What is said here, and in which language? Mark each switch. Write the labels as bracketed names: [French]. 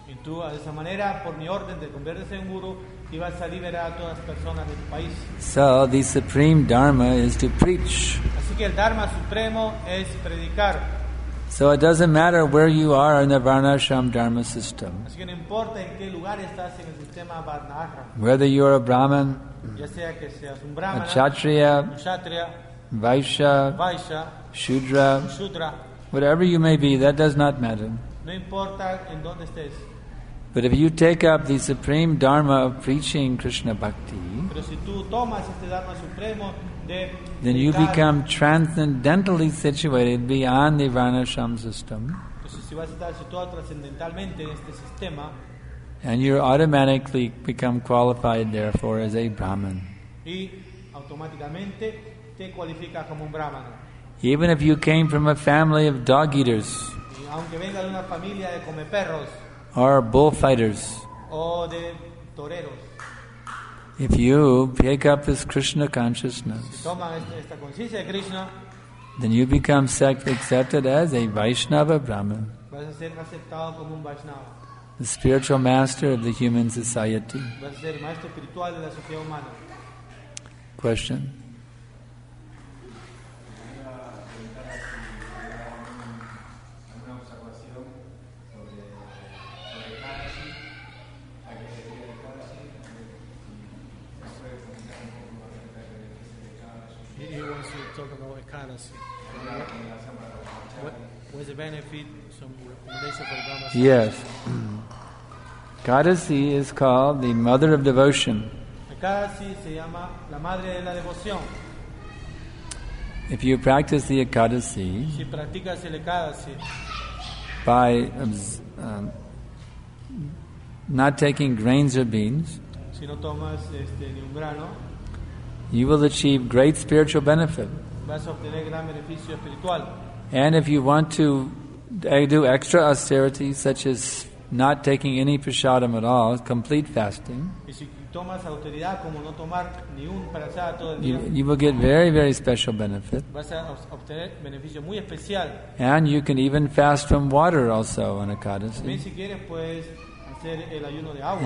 [English] So the supreme dharma is to preach. [Spanish] Así que el dharma supremo es predicar. [English] So it doesn't matter where you are in the Varnasham dharma system. [Spanish] Así que no importa en qué lugar estás en el sistema Varnasham. [English] Whether you are a Brahmin, [Spanish] a [English] Kshatriya, Vaishya, Shudra, whatever you may be, that does not matter. [Spanish] No importa en dónde estés. [English] But if you take up the supreme dharma of preaching Krishna bhakti, [Spanish] pero si tú tomas este dharma supremo de [English] then you become transcendentally situated beyond the Varnasham system. [Spanish] Entonces, si vas a estar situado trascendentalmente en este sistema, [English] and you automatically become qualified, therefore, as a Brahman. [Spanish] Y automáticamente te cualifica como un brahmana. [English] Even if you came from a family of dog eaters, [Spanish] y aunque venga de una familia de come perros, [English] or bullfighters, [Spanish] o de toreros, [English] if you pick up this Krishna consciousness, [Spanish] si toma esta conciencia de Krishna, [English] then you become accepted as a Vaishnava Brahman. [Spanish] Vas a ser aceptado como un Vaishnava. [English] The spiritual master of the human society. [Spanish] Va a ser maestro espiritual de la sociedad humana. [English] Question. He wants to talk about ecstasy. What is the benefit from relationship with Brahma? Yes. Ekadasi is called the mother of devotion. [Spanish] Ekadasi se llama la madre de la devoción. [English] If you practice the Ekadasi, [Spanish] si practicas el Ekadasi, [English] by not taking grains or beans, [Spanish] si no tomas ni un grano, [English] you will achieve great spiritual benefit. [Spanish] Vas a obtener gran beneficio espiritual. [English] And if you want to do extra austerity, such as not taking any prasadam at all, complete fasting, you will get very, very special benefit. [Spanish] Vas a obtener beneficio muy especial. [English] And you can even fast from water also on Ekadasi. [Spanish] También, si quieres, puedes hacer el ayuno de agua.